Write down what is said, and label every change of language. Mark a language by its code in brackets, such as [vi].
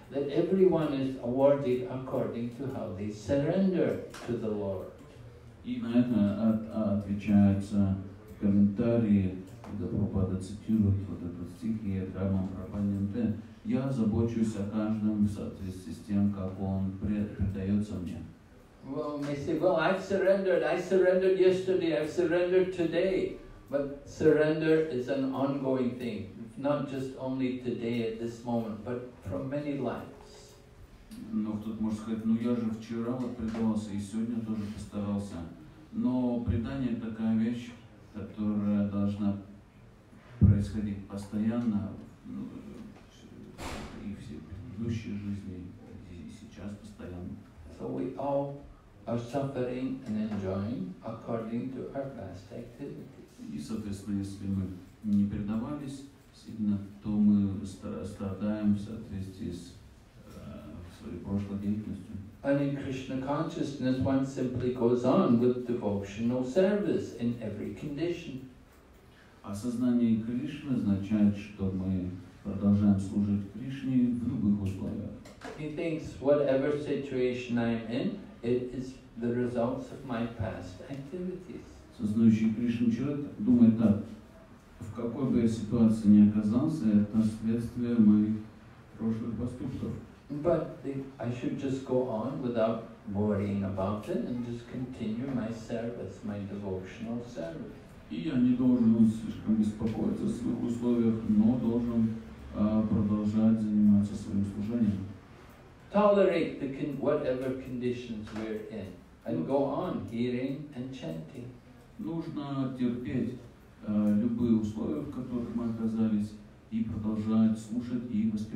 [en] That everyone is awarded according to how they surrender to the Lord. [ru] И на это отвечается в комментарии, когда Прабхупада цитирует вот этот стих, я дамам пропаганде, я забочусь о каждом в соответствии с тем, как он предается мне. [en] Well, they say, well, I surrendered yesterday, I've surrendered today. But surrender is an ongoing thing. Not just only today at this moment, but from many lives. [ru] Но тут можно сказать, ну я же вчера вот предавался и сегодня тоже постарался. Но предание такая вещь, которая должна происходить постоянно, ну, и все предыдущие жизни, и сейчас постоянно. [en] So we all are suffering and enjoying according to our past activities. [ru] И соответственно, если мы не предавались, сильно, то мы страдаем в соответствии с своей прошлой деятельностью. [en] And in Krishna consciousness, one simply goes on with devotional service in every condition. [ru] Осознание Кришны означает, что мы продолжаем служить Кришне в любых условиях. [en] He thinks, whatever situation I'm in, it is the results of my past activities. [ru] Сознающий Кришну человек думает так. В какой бы я ситуации ни оказался, это следствие моих прошлых поступков. [en] But I should just go on without worrying about it and just continue my service, my devotional service. [ru] И я не должен слишком беспокоиться о своих условиях, но должен продолжать заниматься своим служением. [en] Tolerate the whatever conditions we're in and go on hearing and chanting. [ru] Нужно терпеть любые условия, в которых мы оказались, и продолжают слушать и